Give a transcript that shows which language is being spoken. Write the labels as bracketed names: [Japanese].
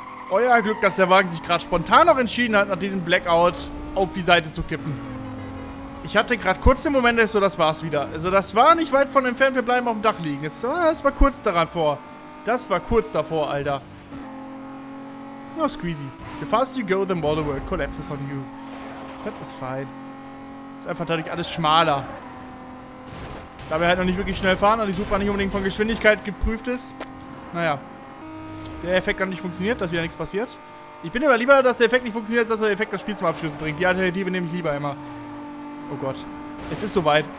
[German] Euer Glück, dass der Wagen sich gerade spontan noch entschieden hat, nach diesem Blackout auf die Seite zu kippen. Ich hatte gerade kurz den Moment, so das war's wieder. Also das war nicht weit von entfernt, wir bleiben auf dem Dach liegen. Das war kurz davor, Alter. [English] Oh, squeezy. The faster you go, the more the world collapses on you. [German] Das ist fein. Ist einfach dadurch alles schmaler. Da wir halt noch nicht wirklich schnell fahren und die Super nicht unbedingt von Geschwindigkeit geprüft ist. Naja. Der Effekt hat nicht funktioniert, dass wieder nichts passiert. Ich bin aber lieber, dass der Effekt nicht funktioniert, als dass der Effekt das Spiel zum Abschluss bringt. Die Alternative nehme ich lieber immer. Oh Gott. Es ist soweit.